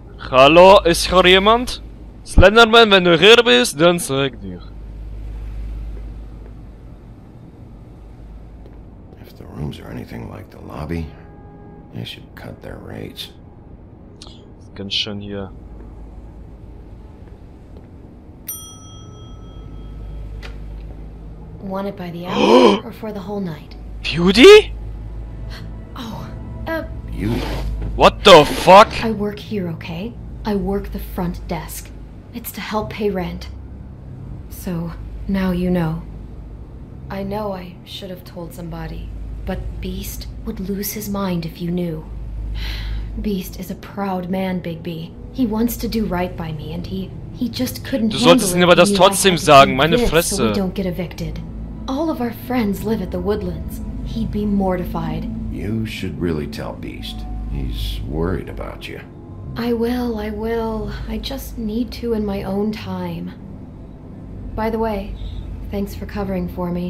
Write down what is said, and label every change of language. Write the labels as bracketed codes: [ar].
[de] Hallo, ist hier jemand? Slenderman, wenn du hier bist, dann zeig dir. [en] If the rooms are anything like the lobby, they should cut their rates. [de] Ist ganz schön hier. [en] Wanted by the hour or for the whole night? Beauty? You. What the fuck? I work here, okay? I work the front desk. It's to help pay rent. So, now you know. I know I should have told somebody, but Beast would lose his mind if you knew. Beast is a proud man, Bigby. He wants to do right by me, and he just couldn't handle it. [de] Du solltest ihm aber das trotzdem sagen, meine Fresse. [en] So we don't get evicted. All of our friends live at the Woodlands. He'd be mortified. You should really tell Beast. He's worried about you. I will. I just need to in my own time. By the way, thanks for covering for me.